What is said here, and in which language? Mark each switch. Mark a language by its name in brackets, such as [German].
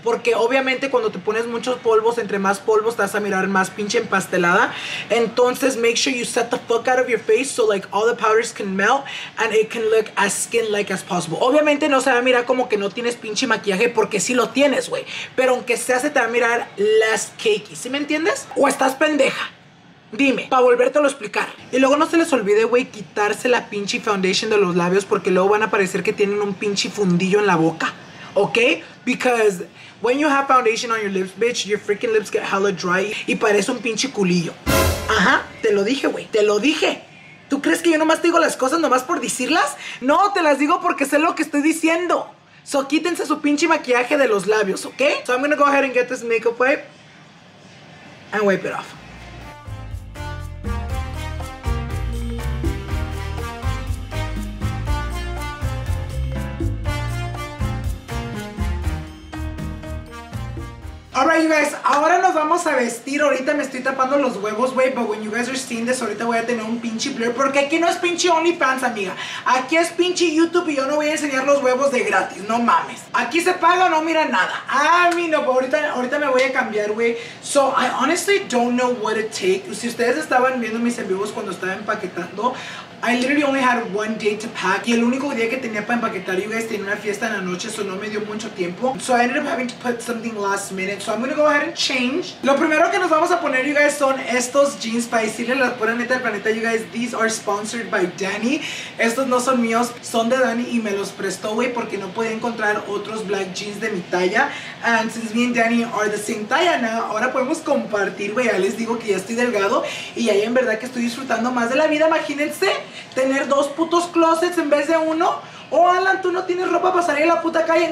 [Spanish] Porque obviamente cuando te pones muchos polvos, entre más polvos te vas a mirar más pinche empastelada. Entonces [English] make sure you set the fuck out of your face so, like, all the powders can melt and it can look as skin-like as possible. [Spanish] Obviamente no se va a mirar como que no tienes pinche maquillaje, porque sí lo tienes, güey. Pero aunque sea, se te va a mirar [English] less cakey. [Spanish] ¿Sí me entiendes? ¿O estás pendeja? Dime, para volvértelo a explicar. Y luego no se les olvide, güey, quitarse la pinche foundation de los labios, porque luego van a parecer que tienen un pinche fundillo en la boca. ¿Ok? [English] Because when you have foundation on your lips, bitch, your freaking lips get hella dry [Spanish] y parece un pinche culillo. Ajá, te lo dije, güey, te lo dije. ¿Tú crees que yo nomás te digo las cosas nomás por decirlas? No, te las digo porque sé lo que estoy diciendo. So quítense su pinche maquillaje de los labios, ¿ok? [English] So I'm gonna go ahead and get this makeup wipe and wipe it off. All right, you guys, [Spanish] ahora nos vamos a vestir. Ahorita me estoy tapando los huevos, güey, [English] but when you guys are seeing this, [Spanish] ahorita voy a tener un pinche blur, porque aquí no es pinche OnlyFans, amiga. Aquí es pinche YouTube y yo no voy a enseñar los huevos de gratis, no mames. Aquí se paga, no mira nada. Ah, mi no, pero ahorita me voy a cambiar, güey. [English] So, I honestly don't know what it takes. [Spanish] Si ustedes estaban viendo mis en vivos cuando estaba empaquetando, [English] I literally only had one day to pack. [Spanish] Y el único día que tenía para empaquetar, [English] you guys, [Spanish] tenía una fiesta en la noche, so no me dio mucho tiempo. [English] So I ended up having to put something last minute. So I'm gonna go ahead and change. [Spanish] Lo primero que nos vamos a poner, [English] you guys, [Spanish] son estos jeans. Para decirles la pura neta del planeta, [English] you guys, these are sponsored by Danny. [Spanish] Estos no son míos, son de Danny y me los prestó, güey, porque no podía encontrar otros [English] black jeans [Spanish] de mi talla. [English] And since me and Danny are the same talla now, [Spanish] ahora podemos compartir, güey. Ya les digo que ya estoy delgado y ahí en verdad que estoy disfrutando más de la vida, imagínense. Tener dos putos closets en vez de uno. Oh, Alan, tú no tienes ropa para salir a la puta calle.